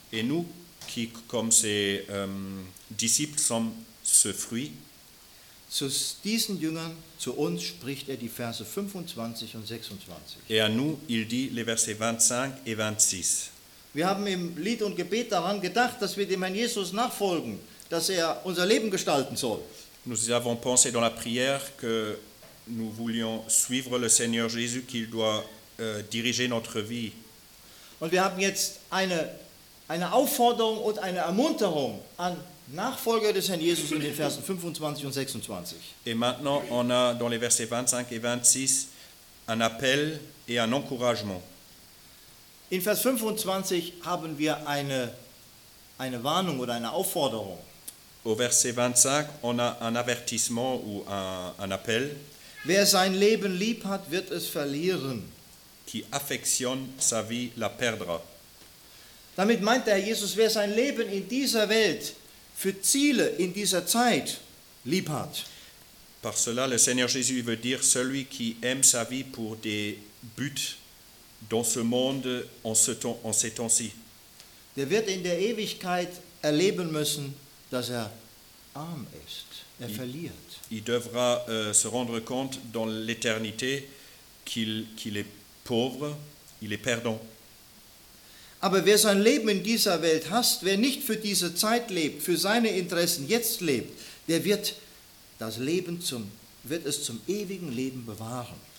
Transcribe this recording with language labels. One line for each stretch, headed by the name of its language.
French: Et nous, qui comme ses disciples sont ce fruit.
German: Zu diesen Jüngern, zu uns, spricht er die Verse 25 und 26.
French: Et à nous, il dit les versets 25 et 26.
German: Wir haben im Lied und Gebet daran gedacht, dass wir dem Herrn Jesus nachfolgen, dass er unser Leben gestalten soll.
French: Nous avons pensé dans la prière que nous voulions suivre le Seigneur Jésus, qu'il doit diriger notre vie.
German: Und wir haben jetzt eine Aufforderung und eine Ermunterung an Nachfolger des Herrn Jesus in den Versen 25 und 26.
French: Et maintenant, on a dans les versets 25 et 26 un appel et un encouragement.
German: In Vers 25 haben wir eine Warnung oder eine Aufforderung.
French: Au verset 25, on a un avertissement ou un appel.
German: Wer sein Leben lieb hat, wird es verlieren.
French: Qui affectionne sa vie la perdra.
German: Damit meint der Herr Jesus, wer sein Leben in dieser Welt für Ziele in dieser Zeit lieb hat.
French: Par cela, le Seigneur Jésus veut dire celui qui aime sa vie pour des buts dans ce monde en ces temps-ci.
German: Der wird in der Ewigkeit erleben müssen, dass er arm ist, er verliert.
French: Il devra se rendre compte dans l'éternité qu'il est pauvre, il est perdant.
German: Aber wer sein Leben in dieser Welt hasst, wer nicht für diese Zeit lebt, für seine Interessen jetzt lebt, der wird das Leben wird es zum ewigen Leben bewahren.